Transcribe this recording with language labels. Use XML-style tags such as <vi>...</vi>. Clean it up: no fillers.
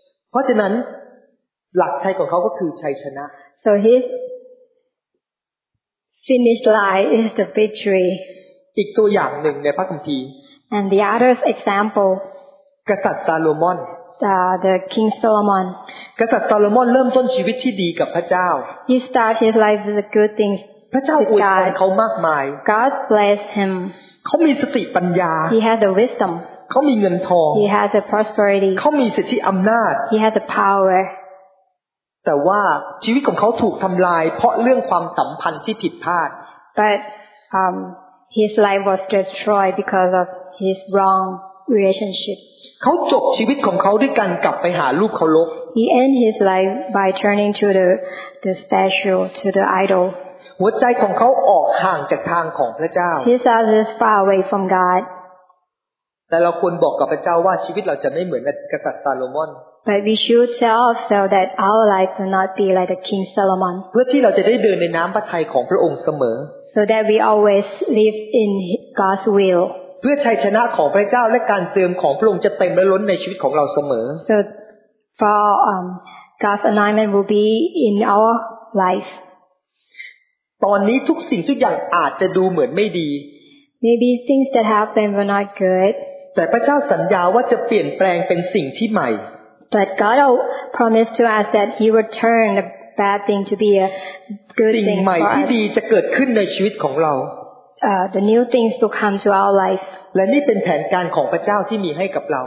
<th>เพราะฉะนั้นหลักชัยของเขาก็คือชัยชนะ</th> <en>So his finished line is the victory.</en> <th>อีกตัวอย่างหนึ่งในพระคัมภีร์</th> <en>And the other example.</en> <th>กษัตริย์ซาโลมอน</th> <en>The King Solomon.</en> <th>กษัตริย์ซาโลมอนเริ่มต้นชีวิตที่ดีกับพระเจ้า</th> <en>He started his life with good things.</en> <th>พระเจ้าอวยพรเขามากมาย</th> <en>God blessed him.</en> <th>ขามีสติปัญญา</th> <en>He has the wisdom</en> <th>เขามีเงินทอง</th> <en>He has the prosperity</en> <th>เขามีสิทธิอำนาจ</th> <en>He has the power</en> <th>แต่ว่าชีวิตของเขาถูกทำลายเพราะเรื่องความสัมพันธ์ที่ผิดพลาด</th> <en>But his life was destroyed because of his wrong relationship</en> <th>เขาจบชีวิตของเขาด้วยการกลับไปหาลูกเคารพ</th> <en>He ended his life by turning to the statue to the idol</en> <th>หัวใจของเขาออกห่างจากทางของพระเจ้า</th> <en>His heart is far away from God</en> <th>แต่เราควรบอกกับพระเจ้าว่าชีวิตเราจะไม่เหมือนกษัตริย์ซาโลมอน</th> <en>But we should tell ourselves that our life will not be like the King Solomon</en> <th>เพื่อที่เราจะได้เดินในน้ำพระทัยของพระองค์เสมอ</th> <en>So that we always live in God's will</en> <th>เพื่อชัยชนะของพระเจ้าและการเจิมของพระองค์จะเต็มและล้นในชีวิตของเราเสมอ</th> <en>So for God's anointment will be in our life</en> <th>ตอนนี้ทุกสิ่งทุกอย่างอาจจะดูเหมือนไม่ดี</th> <en>Maybe things that happened were not good</en> <th>แต่พระเจ้าสัญญาว่าจะเปลี่ยนแปลงเป็นสิ่งที่ใหม่</th> <en>But God promised to us that he would turn the bad thing to be a good thing</en> <th>สิ่งใหม่ที่ดีจะเกิดขึ้นในชีวิตของเรา</th> <en>The new things will come to our life</en> <th>และนี่เป็นแผนการของพระเจ้าที่มีให้กับเรา</th>